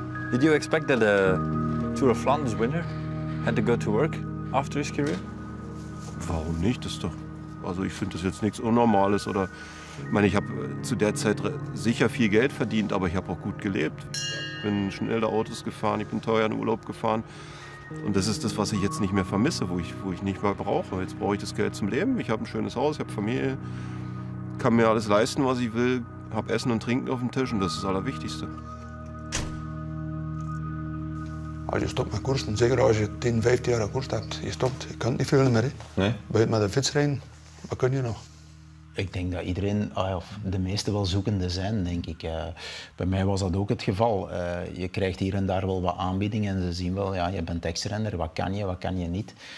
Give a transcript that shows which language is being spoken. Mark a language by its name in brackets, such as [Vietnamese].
[English] Did you expect that a Tour of Flanders winner had to go to work after his career? [German] Warum nicht? Das ist doch. Also ich finde das jetzt nichts Unnormales oder. Ich meine, ich habe zu der Zeit sicher viel Geld verdient, aber ich habe auch gut gelebt. Ich bin schnelle Autos gefahren, ich bin teuer in Urlaub gefahren. Und das ist das, was ich jetzt nicht mehr vermisse, wo ich nicht mehr brauche. Jetzt brauche ich das Geld zum Leben. Ich habe ein schönes Haus, ich habe Familie, kann mir alles leisten, was ich will, habe Essen und Trinken auf dem Tisch und das ist das Allerwichtigste. [Dutch] Als je stopt met koersen, zeker als je 10, 15 jaar gekoerst hebt, je stopt, je kunt niet veel meer. Hè. Nee. Begint met een fietsrijden, wat kun je nog? Ik denk dat iedereen, of de meeste wel zoekende zijn, denk ik. Bij mij was dat ook het geval. Je krijgt hier en daar wel wat aanbiedingen en ze zien wel, ja, je bent ex-renner, wat kan je niet.